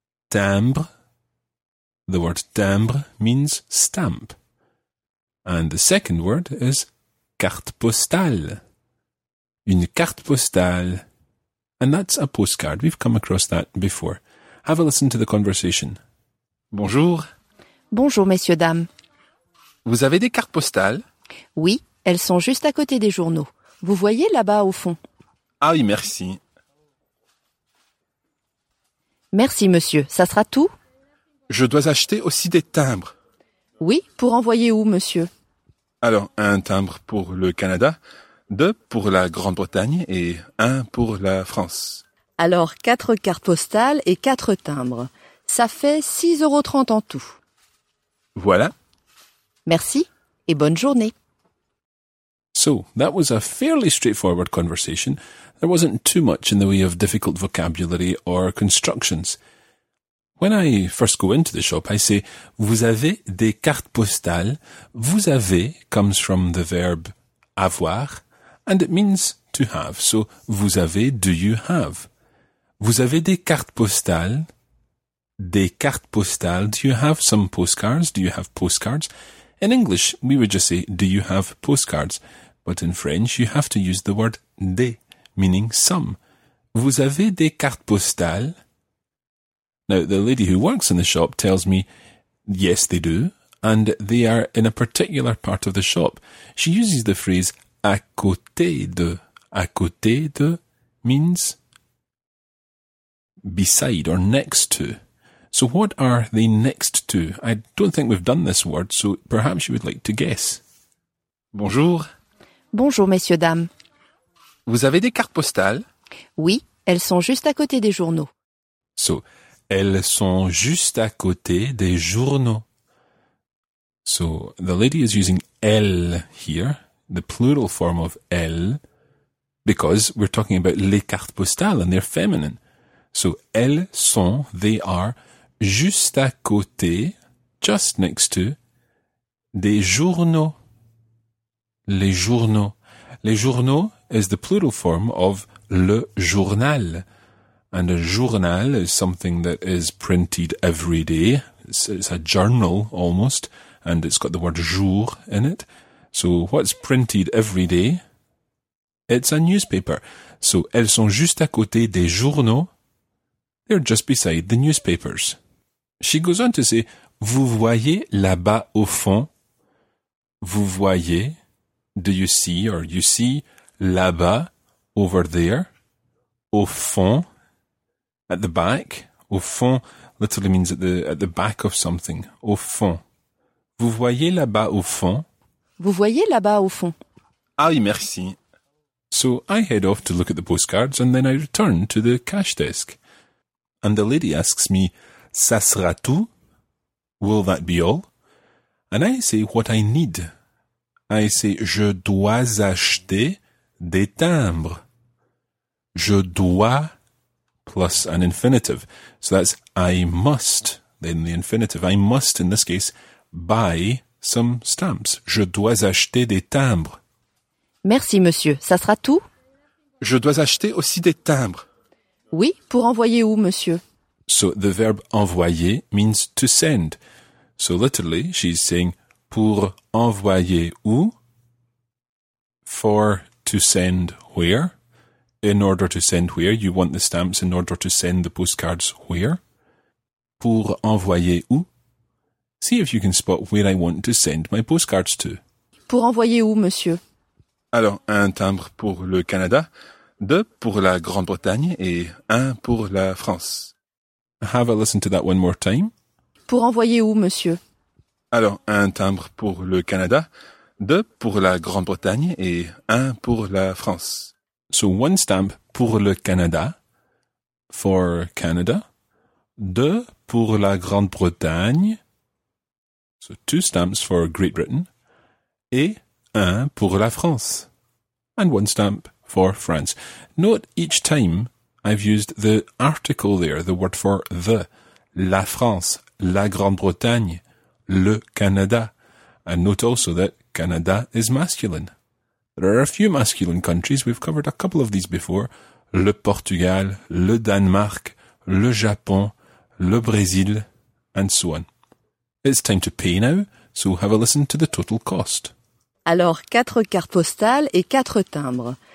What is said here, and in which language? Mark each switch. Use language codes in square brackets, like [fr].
[en] Timbre. The word timbre means stamp. And the second word is carte postale. [fr] Une carte postale. [en] And that's a postcard. We've come across that before. Have a listen to the conversation. [fr] Bonjour. Bonjour, messieurs, dames. Vous avez des cartes postales? Oui, elles sont juste à côté des journaux. Vous voyez là-bas au fond? Ah oui, merci. Merci, monsieur. Ça sera tout? Je dois acheter aussi des timbres. Oui, pour envoyer où, monsieur? Alors, un timbre pour le Canada, deux pour la Grande-Bretagne et un pour la France. Alors, quatre cartes postales et quatre timbres. Ça fait 6,30 € en tout. Voilà. Merci et bonne journée. [en] So, that was a fairly straightforward conversation. There wasn't too much in the way of difficult vocabulary or constructions. When I first go into the shop, I say, [fr] vous avez des cartes postales. [en] Vous avez comes from the verb avoir. And it means to have. So, [fr] vous avez, [en] do you have? [fr] Vous avez des cartes postales? Des cartes postales. [en] Do you have some postcards? Do you have postcards? In English, we would just say, do you have postcards? But in French, you have to use the word des, meaning some. [fr] Vous avez des cartes postales? [en] Now, the lady who works in the shop tells me, yes, they do. And they are in a particular part of the shop. She uses the phrase, [fr] à côté de. À côté de [en] means beside or next to. So what are they next to? I don't think we've done this word, so perhaps you would like to guess. [fr] Bonjour. Bonjour, messieurs, dames. Vous avez des cartes postales? Oui, elles sont juste à côté des journaux. So, elles sont juste à côté des journaux. [en] So, the lady is using elle here. The plural form of elle, because we're talking about les cartes postales and they're feminine. [fr] So, elles sont, [en] they are, [fr] juste à côté, [en] just next to, [fr] des journaux. Les journaux. Les journaux [en] is the plural form of [fr] le journal. [en] And a journal is something that is printed every day. It's a journal, almost, and it's got the word jour in it. So what's printed every day? It's a newspaper. [fr] So, elles sont juste à côté des journaux. [en] They're just beside the newspapers. She goes on to say, [fr] vous voyez là-bas au fond. Vous voyez, [en] do you see, or you see, [fr] là-bas, [en] over there, [fr] au fond, [en] at the back. Au fond literally means at the back of something. [fr] Au fond. Vous voyez là-bas au fond. Vous voyez là-bas au fond. Ah oui, merci. [en] So I head off to look at the postcards and then I return to the cash desk. And the lady asks me, [fr] ça sera tout? [en] Will that be all? And I say what I need. I say, [fr] je dois acheter des timbres. [en] Je dois, plus an infinitive. So that's I must, then the infinitive. I must, in this case, buy some stamps. [fr] Je dois acheter des timbres. Merci, monsieur. Ça sera tout? Je dois acheter aussi des timbres. Oui, pour envoyer où, monsieur? [en] So the verb envoyer means to send. So literally, she's saying, [fr] pour envoyer où? [en] For to send where? In order to send where? You want the stamps in order to send the postcards where? [fr] Pour envoyer où? [en] See if you can spot where I want to send my postcards to. [fr] Pour envoyer où, monsieur? Alors, un timbre pour le Canada, deux pour la Grande-Bretagne et un pour la France. [en] Have a listen to that one more time. [fr] Pour envoyer où, monsieur? Alors, un timbre pour le Canada, deux pour la Grande-Bretagne et un pour la France. [en] So, one stamp [fr] pour le Canada, [en] for Canada, [fr] deux pour la Grande-Bretagne, [en] so two stamps for Great Britain, [fr] et un pour la France, [en] and one stamp for France. Note each time I've used the article there, the word for the, [fr] la France, la Grande-Bretagne, le Canada. [en] And note also that Canada is masculine. There are a few masculine countries, we've covered a couple of these before, le Portugal, le Danemark, le Japon, le Brésil, and so on. It's time to pay now, so have a listen to the total cost. [fr] Alors, 4 cartes postales et 4 timbres.